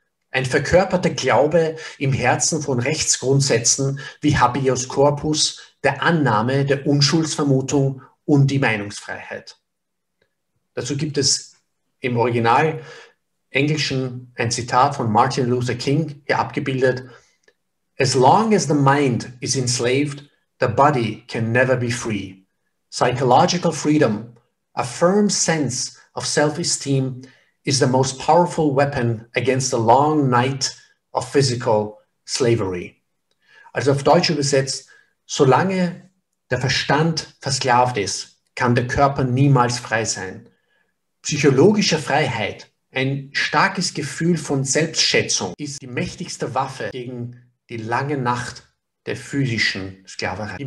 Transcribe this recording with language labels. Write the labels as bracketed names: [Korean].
[German] Ein verkörperter Glaube im Herzen von Rechtsgrundsätzen wie Habeas Corpus, der Annahme der Unschuldsvermutung und die Meinungsfreiheit. Dazu gibt es im Original Englischen ein Zitat von Martin Luther King hier abgebildet: [English] As long as the mind is enslaved, the body can never be free. Psychological freedom, a firm sense of self-esteem, is the most powerful weapon against the long night of physical slavery. [German] Also auf Deutsch übersetzt, solange der Verstand versklavt ist, kann der Körper niemals frei sein. Psychologische Freiheit, ein starkes Gefühl von Selbstschätzung, ist die mächtigste Waffe gegen die lange Nacht der physischen Sklaverei.